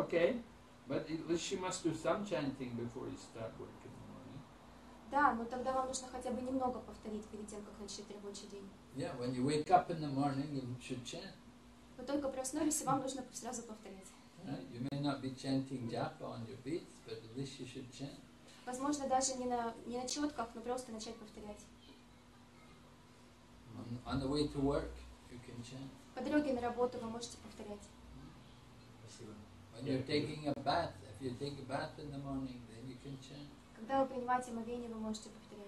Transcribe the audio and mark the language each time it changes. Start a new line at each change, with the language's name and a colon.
English: Okay, but at least she must do some chanting before you start work in the morning.
Russian: Да, но тогда вам нужно хотя бы немного повторить перед тем, как начать рабочий день.
English: Yeah, when you wake up in the morning, you should chant.
Russian: Вы только проснулись, и вам нужно сразу повторить.
English: You may not be chanting japa on your beats, but at least you should chant.
Russian: Возможно, даже не на четках, но просто начать повторять.
English: On the way to work, you can chant.
Russian: По дороге на работу вы можете повторять. Спасибо.
English: When you're taking a bath, if you take a bath in the morning, then you can chant.
Russian: Когда вы принимаете омовение, вы можете повторять.